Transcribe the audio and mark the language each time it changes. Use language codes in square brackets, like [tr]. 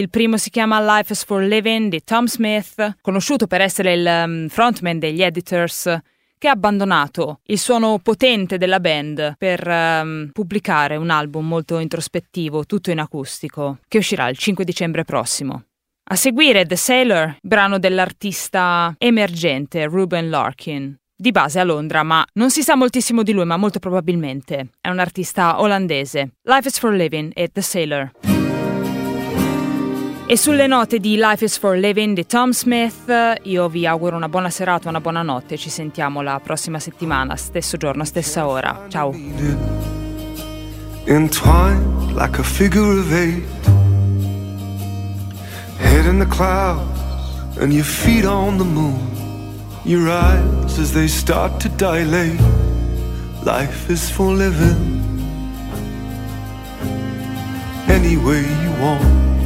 [it] Il primo si chiama Life is for Living di Tom Smith, conosciuto per essere il frontman degli Editors, che ha abbandonato il suono potente della band per pubblicare un album molto introspettivo, tutto in acustico, che uscirà il 5 dicembre prossimo. A seguire The Sailor, brano dell'artista emergente Ruben Larkin, di base a Londra, ma non si sa moltissimo di lui, ma molto probabilmente è un artista olandese. Life is for Living e The Sailor. E sulle note di Life is for Living di Tom Smith, io vi auguro una buona serata, una buona notte. Ci sentiamo la prossima settimana, stesso giorno, stessa ora. Ciao. [en] Entwined like a figure of eight, head in the clouds and your feet on the moon, your eyes as they start to dilate. Life is for living any way you want.